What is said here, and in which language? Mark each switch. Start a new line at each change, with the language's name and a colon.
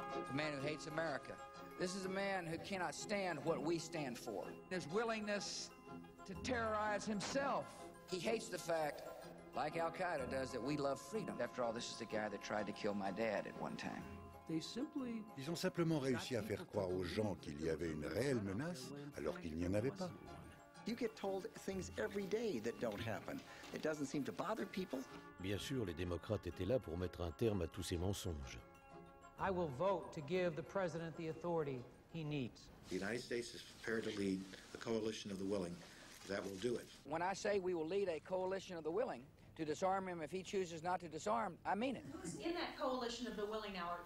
English: The man who hates America. This is a man who cannot stand what we stand for. His willingness to terrorize himself. He hates the fact, like Al-Qaeda does, that we love freedom. After all, this is the guy that tried to kill my dad at one time.
French: Ils ont simplement réussi à faire croire aux gens qu'il y avait une réelle menace alors qu'il n'y en avait pas.
English: You get told things every day that don't happen. It doesn't seem to bother people.
French: Bien sûr, les démocrates étaient là pour mettre un terme à tous ces mensonges.
English: I will vote to give the president the authority he needs. The United States is prepared to lead a coalition of the willing. That will do it. When I say we will lead a coalition of the willing to disarm him if he chooses not to disarm, I mean it. Who's in that coalition of the willing now?